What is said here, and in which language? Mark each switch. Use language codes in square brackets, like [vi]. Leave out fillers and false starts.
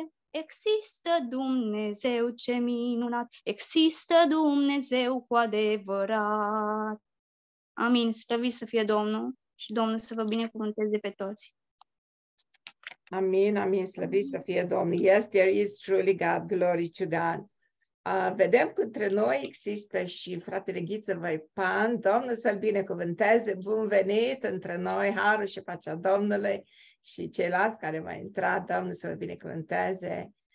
[ro] Există Dumnezeu, ce minunat, există Dumnezeu cu adevărat. Amin. Slăvit să fie Domnul și Domnul să vă binecuvânteze pe toți. Amin, amin, slăvit să fie Domnul. [en] Yes, there is truly God, glory to God. [ro] Vedem că între noi există și fratele Ghiță Văipan. Domnul să-l binecuvânteze. Bun venit între noi, harul și pacea Domnului. Și ceilalți care m-au intrat, Domnul să vă binecuvânteze.